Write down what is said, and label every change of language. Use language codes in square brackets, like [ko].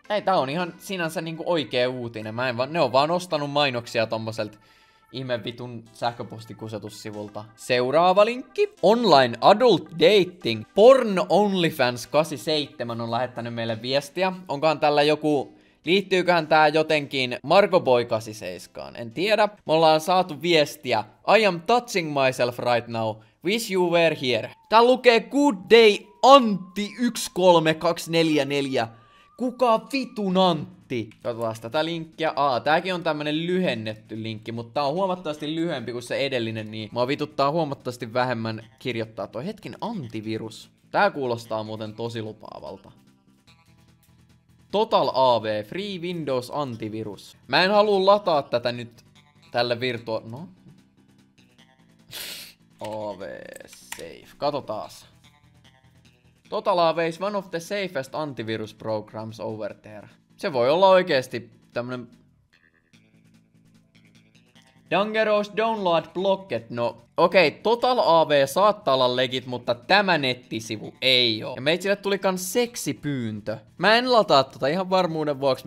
[fi] Ei, tää on ihan sinänsä niinku oikee uutinen. Mä en vaan... Ne on vaan ostanut mainoksia tommoselta ihme vitun sähköpostikusetussivulta. Seuraava linkki. [en] Online adult dating. [fi] Porn OnlyFans 87 on lähettänyt meille viestiä. Onkohan tällä joku... Liittyyköhän tää jotenkin Marko Boy 87? En tiedä. Me ollaan saatu viestiä. [en] I am touching myself right now. Wish you were here. [fi] Tää lukee [en] Good Day Antti 13244. [fi] Kuka vitun Antti? Katsotaan tätä linkkiä. Tääkin on tämmönen lyhennetty linkki, mutta tää on huomattavasti lyhyempi kuin se edellinen, niin mua vituttaa huomattavasti vähemmän kirjoittaa toi hetken antivirus. Tää kuulostaa muuten tosi lupaavalta. Total AV, Free Windows Antivirus. Mä en halua lataa tätä nyt tälle virtua... No? [en] AV safe. [fi] Kato taas. [en] Total AV is one of the safest antivirus programs over there. [fi] Se voi olla oikeesti tämmönen... [en] Dangerous download blocket. [fi] No, okei, okay, Total AV saattaa olla legit, mutta tämä nettisivu ei oo. Ja meitsille tuli kans seksipyyntö. Mä en lataa tota ihan varmuuden vuoksi.